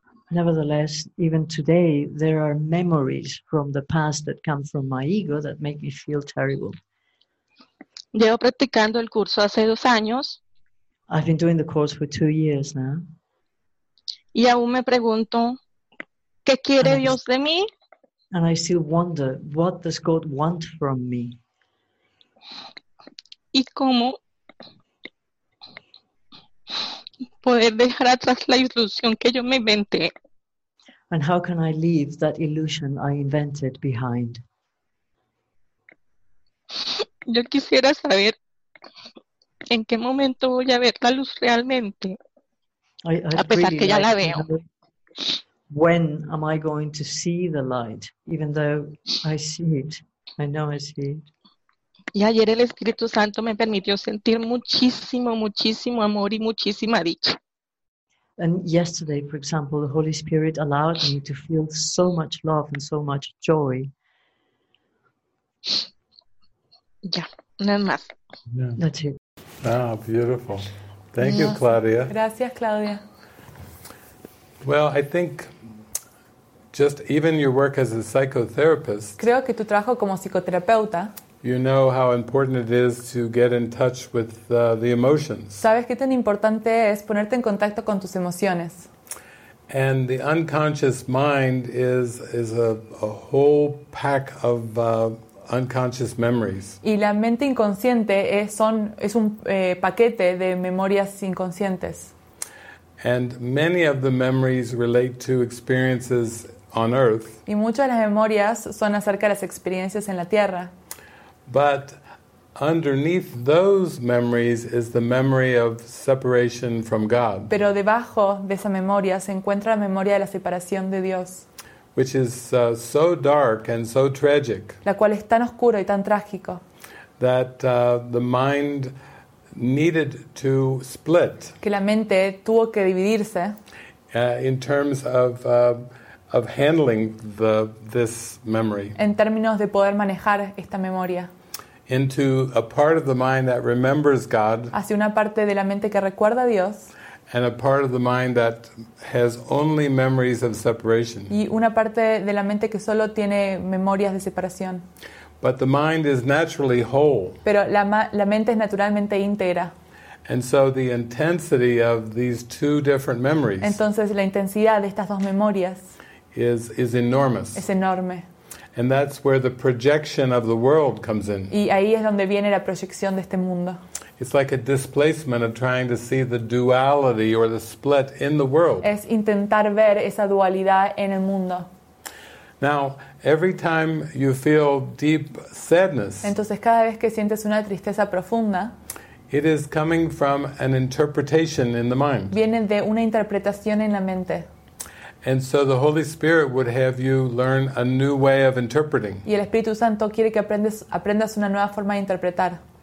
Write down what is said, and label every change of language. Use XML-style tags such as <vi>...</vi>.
<en>Nevertheless, even today, there are memories from the past that come from my ego that make me feel terrible.</en> <es>Llevo practicando el curso hace 2 años.</es> <en>I've been doing the course for 2 years now.</en> <es>Y aún me pregunto, ¿qué quiere Dios de mí?</es> <en>And I still wonder, what does God want from me?</en> <es>¿Y cómo poder dejar atrás la ilusión que yo me inventé?</es> <en>And how can I leave that illusion I invented behind?</en> <es>Yo quisiera saber en qué momento voy a ver la luz realmente, a pesar</es> <en>really</en> <es>que ya</es> <en>like</en> <es>la veo.</es> <en>When am I going to see the light, even though I see it, I know I see it.</en> <es>Y ayer el Espíritu Santo me permitió sentir muchísimo, muchísimo amor y muchísima dicha.</es> <en>And yesterday, for example, the Holy Spirit allowed me to feel so much love and so much joy.</en> <es>Ya, nada más.</es> <en>That's it. Ah, beautiful. Thank you, Claudia.</en> <es>Gracias, Claudia.</es> <en>Well, I think just even your work as a psychotherapist.</en> <es>Creo que tu trabajo como psicoterapeuta.</es> <en>You know how important it is to get in touch with the emotions.</en> <es>¿Sabes qué tan importante es ponerte en contacto con tus emociones?</es> <en>And the unconscious mind is a whole pack of unconscious memories.</en> <es>Y la mente inconsciente es un paquete de memorias inconscientes.</es> <en>And many of the memories relate to experiences on earth.</en> <es>Y muchas de las memorias son acerca de las experiencias en la tierra.</es> <en>But underneath those memories is the memory of separation from God.</en> <es>Pero debajo de esa memoria se encuentra la memoria de la separación de Dios.</es> <en>Which is so dark and so tragic.</en> <es>La cual es tan oscura y tan trágico.</es> <en>that the mind needed to split.</en> <es>Que la mente tuvo que dividirse.</es> <en>In terms of handling this memory.</en> <es>En términos de poder manejar esta memoria.</es> <en>Into a part of the mind that remembers God.</en> <es>Hacia una parte de la mente que recuerda a Dios.</es> <en>And a part of the mind that has only memories of separation.</en> <es>Y una parte de la mente que solo tiene memorias de separación.</es> <en>But the mind is naturally whole.</en> <es>Pero la mente es naturalmente íntegra.</es> <en>And so the intensity of these two different memories.</en> <es>Entonces la intensidad de estas dos memorias</es> <en>is enormous.</en> <es>Es enorme.</es> <en>And that's where the projection of the world comes in.</en> <es>Y ahí es donde viene la proyección de este mundo.</es> <en>It's like a displacement of trying to see the duality or the split in the world.</en> <es>Es intentar ver esa dualidad en el mundo.</es> <en>Now, every time you feel deep sadness,</en> <es>entonces cada vez que sientes una tristeza profunda,</es> <en>it is coming from an interpretation in the mind.</en> <es>Viene de una interpretación en la mente.</es> <en>And so the Holy Spirit would have you learn a new way of interpreting.</en> <es>Y el Espíritu Santo quiere que aprendas una nueva forma de interpretar.</es>